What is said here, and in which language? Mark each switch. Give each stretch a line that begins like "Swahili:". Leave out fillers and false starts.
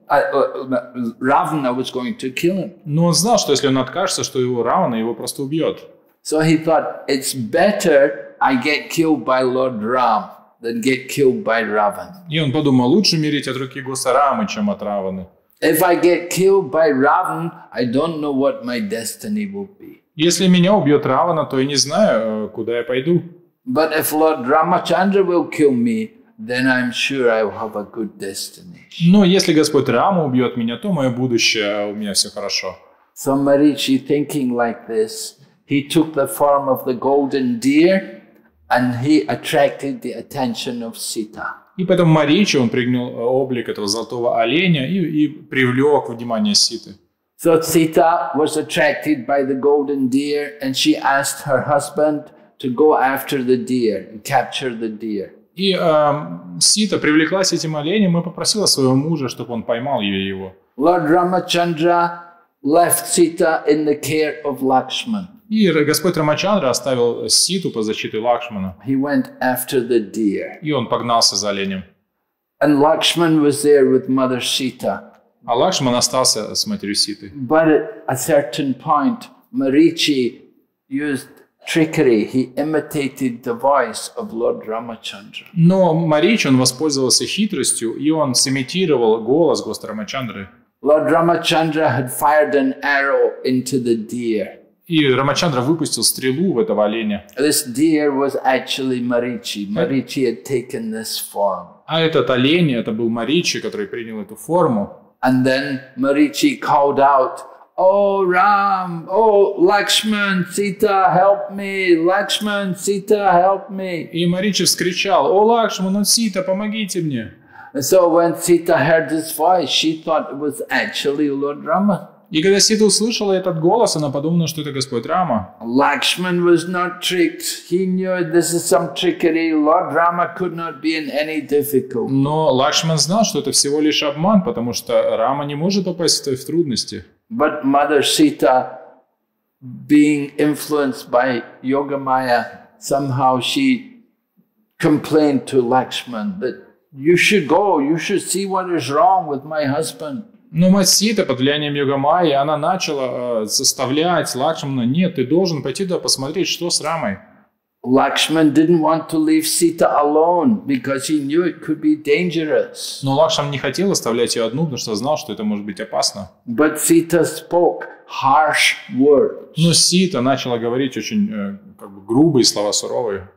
English: Ravana was going to kill him.
Russian: Но он знал, что если он откажется, что его Равана его просто убьет.
English: So he thought it's better. I get killed by Lord Ram, then get killed by Ravan.
Russian: И он подумал, лучше умереть от руки Господа Рамы, чем от Раваны.
English: If I get killed by Ravan, I don't know what my destiny will be.
Russian: Если меня убьет Равана, то я не знаю, куда я пойду.
English: But if Lord Ramachandra will kill me, then I'm sure I will have a good destiny.
Russian: Но если Господь Рама убьет меня, то мое будущее, у меня все хорошо.
English: So Marichi, thinking like this, he took the form of the golden deer. And he attracted the attention of Sita.
Russian: И потом Маричи, он принял облик этого золотого оленя и привлек внимание Ситы.
English: So Sita was attracted by the golden deer, and she asked her husband to go after the deer, capture the deer.
Russian: И Сита привлеклась этим оленем и попросила своего мужа, чтобы он поймал ее и его.
English: Lord Ramachandra left Sita in the care of Lakshman.
Russian: И Господь Рамачандра оставил Ситу под защитой Лакшмана.
English: He went after the deer.
Russian: И он погнался за оленем.
English: And Lakshman was there with Mother Sita.
Russian: А Лакшман остался с матерью Ситы.
English: But at a certain point, Marichi used trickery. He imitated the voice of Lord Ramachandra.
Russian: Но Маричи, он воспользовался хитростью, и он сымитировал голос Господа Рамачандры.
English: Lord Ramachandra had fired an arrow into the deer.
Russian: И Рамачандра выпустил стрелу в этого оленя.
English: This deer was actually Marichi. Marichi had taken this form.
Russian: А этот олень, это был Маричи, который принял эту форму.
English: And then Marichi called out, "Oh Ram, oh Lakshman, Sita, help me! Lakshman, Sita, help me!"
Russian: И Маричи вскричал: "О Лакшман, Сита, помогите мне!"
English: And so when Sita heard this voice, she thought it was actually Lord Rama.
Russian: И когда Сита услышала этот голос, она подумала, что это Господь Рама.
English: Lakshman was not tricked. He knew this is some trickery. Lord Rama could not be in any difficulty.
Russian: Но Лакшман знал, что это всего лишь обман, потому что Рама не может попасть в трудности.
English: But Mother Sita, being influenced by Yoga Maya, somehow she complained to Lakshman that you should go, you should see what is wrong with my husband.
Russian: Но мать Сита под влиянием Йога Майи, она начала заставлять Лакшмана: нет, ты должен пойти туда посмотреть, что с Рамой.
English: Lakshman didn't want to leave Sita alone because he knew it could be dangerous.
Russian: Но Лакшман не хотел оставлять ее одну, потому что знал, что это может быть опасно.
English: But Sita spoke harsh words.
Russian: Но Сита начала говорить очень как бы грубые слова, суровые.